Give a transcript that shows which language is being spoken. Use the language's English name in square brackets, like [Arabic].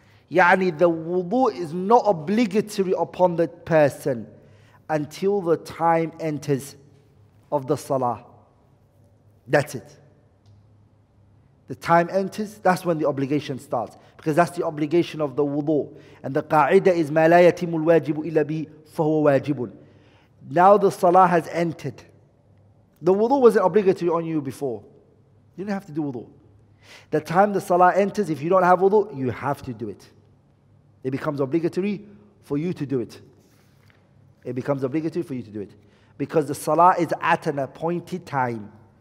[English] يعني the wudu is not obligatory upon the person until the time enters of the salah. That's it. The time enters, that's when the obligation starts. Because that's the obligation of the wudu. And the qa'idah is [Arabic] مَا لَا يَتِمُ الْوَاجِبُ إِلَّا بِهِ فَهُوَ وَاجِبٌ. [English] Now the salah has entered. The wudu wasn't obligatory on you before. You didn't have to do wudu. The time the salah enters, if you don't have wudu, you have to do it. It becomes obligatory for you to do it. It becomes obligatory for you to do it. Because the salah is at an appointed time.